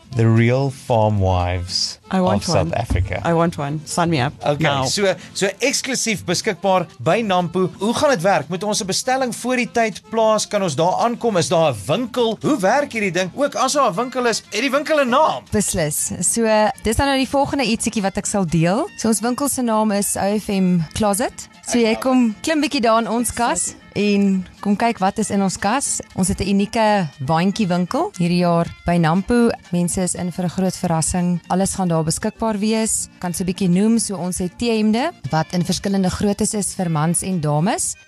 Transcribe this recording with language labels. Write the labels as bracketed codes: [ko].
[en] The real farm wives of South Africa. I want one. Sign me up. Okay, now. [af] So eksklusief beskikbaar by Nampo. Hoe gaan dit werk? Moet ons 'n bestelling voor die tyd plaas? Kan ons daar aankom? Is daar 'n winkel? Hoe werk hierdie ding? Ook as daar 'n winkel is, het die winkel 'n naam? Beslis. So, dis dan nou die volgende ietsiekie wat ek sal deel. So, ons winkel se naam is OFM Closet. So, jy kom klim bietjie daar in ons kas en kom kyk wat is in ons kas. Ons het 'n unieke baantjie winkel hierdie jaar by Nampo. Mense is in vir 'n groot verrassing. Alles gaan daar beskikbaar wees. Kan so bietjie noem, so ons het T-hemde wat in verskillende groottes is vir mans en dames.